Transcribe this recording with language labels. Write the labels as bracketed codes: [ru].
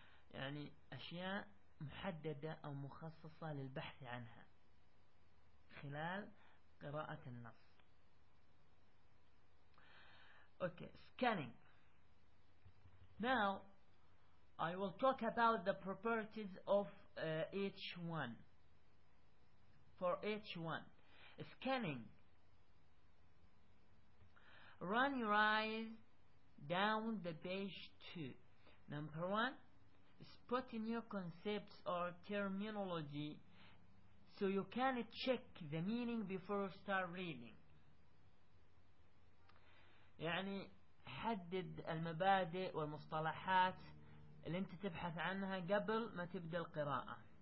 [ar] يعني أشياء محددة أو مخصصة للبحث عنها خلال قراءة النص. [en] Okay, scanning. Now, I will talk about the properties of each one. For each one, scanning. Run your eyes down the page 2. Number 1, spot new concepts or terminology so you can check the meaning before you start reading. [ar] يعني حدد المبادئ والمصطلحات اللي انت تبحث عنها قبل ما تبدأ القراءة.